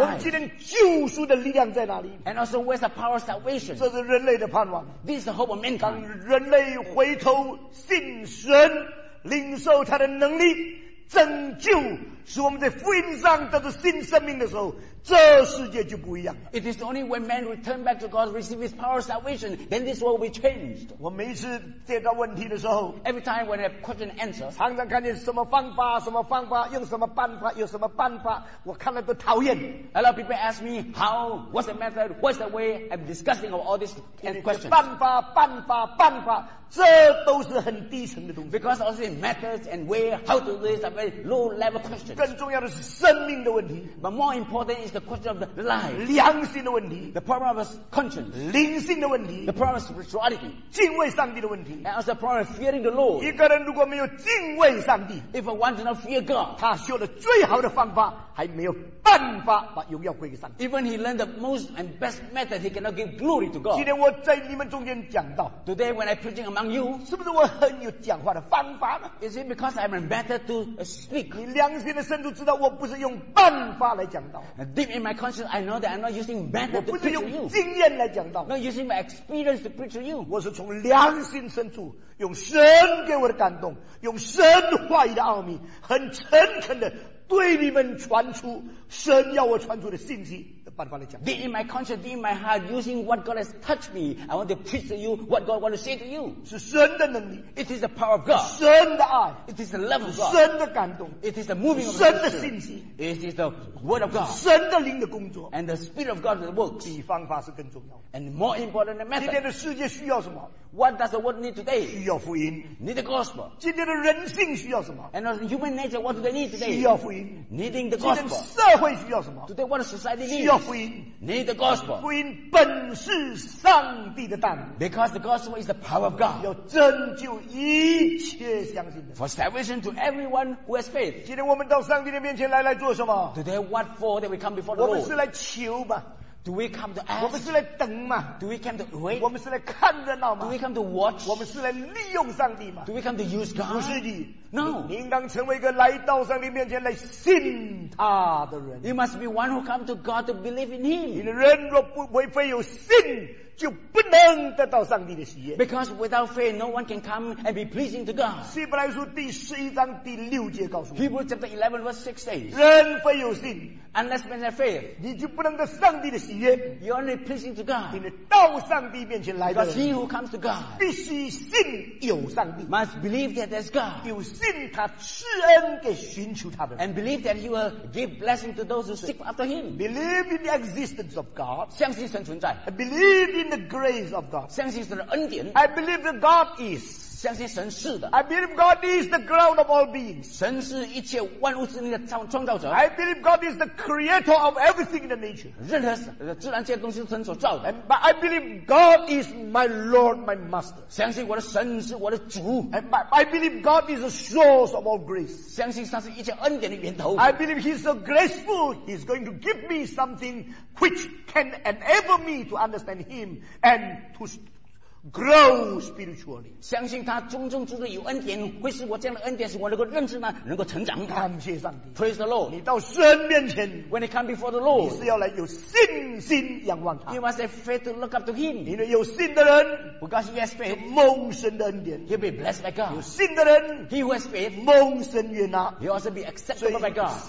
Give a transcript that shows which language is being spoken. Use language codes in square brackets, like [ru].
[zh] 我们今天救赎的力量在哪里？ [en] And also where's the power of salvation? [zh] 这是人类的盼望。 [en] This is the hope of mankind. [zh] 当人类回头信神，领受他的能力，拯救，使我们在福音上得到新生命的时候，这世界就不一样了。 [en] It is only when man return back to God, receive His power of salvation, then this world will be changed. [zh] 我每次接到问题的时候 [en] ，Every time when I have question answer, [zh] 常常看见什么方法，什么方法，用什么办法，有什么办法，我看了都讨厌。 [en] A lot of people ask me how, what's the method, what's the way. I'm disgusting of all these questions. [zh] 办法，办法，办法，这都是很低层的东西。 [en] Because also methods and way, how to do this are very low level questions. [zh] 更重要的是生命的问题。 [en] But more important is the question of the life, [zh] 良心的问题 [en] the problem of conscience, [zh] 灵性的问题 [en] the problem of spirituality, [zh] 敬畏上帝的问题 [en] and also the problem of fearing the Lord. [zh] 一个人如果没有敬畏上帝 [en] if one does not fear God, [zh] 他学的最好的方法还没有办法把荣耀归给上帝 [en] even he learned the most and best method, he cannot give glory to God. [zh] 今天我在你们中间讲到 [en] today when I preaching among you, [zh] 是不是我很有讲话的方法呢 [en] is it because I'm better to speak? [zh] 你良心的深处知道我不是用办法来讲道。 [en] Deep in my conscience, I know that I'm not using method to preach to you. [zh] 我不是用经验来讲道。 [en] Not using my experience to preach to you. [zh] 我是从良心深处用神给我的感动，用神话语的奥秘，很诚恳的对你们传出神要我传出的信息的办法来讲。 [en] Deep in my conscience, deep in my heart, using what God has touched me, I want to preach to you what God wants to say to you. [zh] 是神的能力。 [en] It is the power of God. [zh] 神的爱。 [en] It is the love of God. [zh] 神的感动。 [en] It is the moving of God. [zh] 神的信息。 [en] It is the word of God. [zh] 神的灵的工作。 [en] And the spirit of God that works. [zh] 比方法是更重要。 [en] And more important than method. [zh] 今天的世界需要什么？ [en] What does the world need today? [zh] 需要福音。 [en] Need the gospel. [zh] 今天的人性需要什么？ [en] And also human nature, what do they need today? [zh] 需要福音。 [en] Needing the gospel. [zh] 今天社会需要什么？ [en] Today what society needs? [zh] 需要福音。 [en] Need the gospel. [zh] 福音本是上帝的大能。 [en] Because the gospel is the power of God. [zh] 要拯救一切相信的。 [en] For salvation to everyone who has faith. [zh] 今天我们到上帝的面前来来做什么？ [en] Today what for that we come before the Lord? [zh] 我们是来求吧。 [en] Do we come to ask? [zh] 我们是来等嘛。 [en] Do we come to wait? [zh] 我们是来看热闹嘛。 [en] Do we come to watch? [zh] 我们是来利用上帝嘛。 [en] Do we come to use God? [zh] 不是的。 [en] No. [zh] 你应当成为一个来到上帝面前来信他的人。 [en] You must be one who come to God to believe in Him. [zh] 你的人若不违背有信，就不能得到上帝的喜悦。 [en] Because without faith, no one can come and be pleasing to God. [zh] 希伯来书第十一章第六节告诉我。 [en] Hebrews chapter 11 verse 6 says. [zh] 人非有信。 [en] Unless man has faith, [zh] 你就不能得上帝的喜悦。 [en] You're only pleasing to God. [zh] 你到上帝面前来的人。 [en] Because he who comes to God. [zh] 必须信有上帝。 [en] Must believe that there's God. [zh] 有信他施恩给寻求他的人。 [en] And believe that he will give blessing to those who seek after him. Believe in the existence of God. [zh] 相信神存在。 [en] Believe in the grace of God. [zh] 相信神的恩典。 [en] I believe that God is. [zh] 相信神是的。 [en] I believe God is the ground of all beings. [zh] 神是一切万物之灵的创造者。 [en] I believe God is the creator of everything in the nature. [zh] 任何自然界的东西是神所造的。 [en] But I believe God is my Lord, my Master. [zh] 相信我的神是我的主。 [en] I believe God is the source of all grace. [zh] 相信他是一切恩典的源头。 [en] I believe He's so graceful, He's going to give me something which can enable me to understand Him and to. Grow spiritually. [zh] 相信他中中之中有恩典，会使我这样的恩典使我能够认识他，能够成长。感谢上帝。 [en] Praise the Lord. [zh] 你到神面前 [en] ，When you come before the Lord， [zh] 你是要来有信心仰望他。 [en] You must have faith to look up to Him. [zh] 因为有信的人 [en] ，Because he has faith， [zh] 有蒙神的恩典 [en] ，He'll be blessed by God. [zh] 有信的人 [en] ，He who has faith， [zh] 蒙神悦纳 [en] ，He also be acceptable by God.